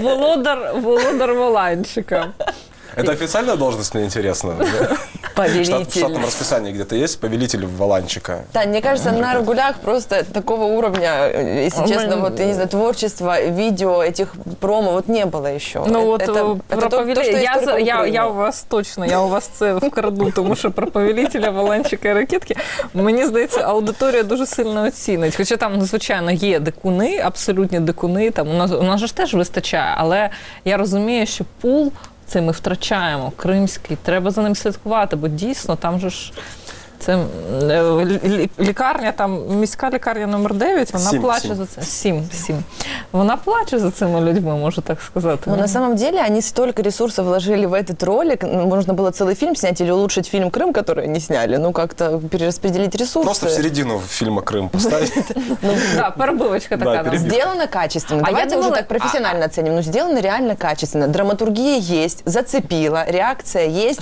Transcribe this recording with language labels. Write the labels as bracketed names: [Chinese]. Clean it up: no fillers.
[Ukrainian] Володар валанчика. [Russian] Это официальная должность, мне интересно. Повелитель. В штатном расписании где-то есть повелитель Воланчика? Да, мне кажется, на Рогулях просто такого уровня, если честно, вот, я не знаю, творчества, видео, этих промо, вот не было еще. [Ukrainian] Ну вот про повелителя, я у вас точно, я у вас це вкраду, тому що про повелителя Воланчика і Ракетки, мені здається, аудиторія дуже сильно оцінить. Хоча там, звичайно, є дикуни, абсолютні дикуни, там у нас ж теж вистачає, але я розумію, що пул цей ми втрачаємо, кримський, треба за ним слідкувати, бо дійсно там же ж це лікарня, там міська лікарня номер 9, вона плаче за цим. Сім. Вона плаче за цими людьми, можу так сказати. [Russian] Ну, на самом деле, они столько ресурсов вложили в этот ролик, можно было целый фильм снять или улучшить фильм «Крым», который они сняли, ну, как-то перераспределить ресурсы. Просто в середину фильма «Крым» поставить. Да, перебивочка такая. Сделано качественно. Давайте уже так профессионально оценим. Ну, сделано реально качественно. Драматургия есть, зацепила, реакция есть.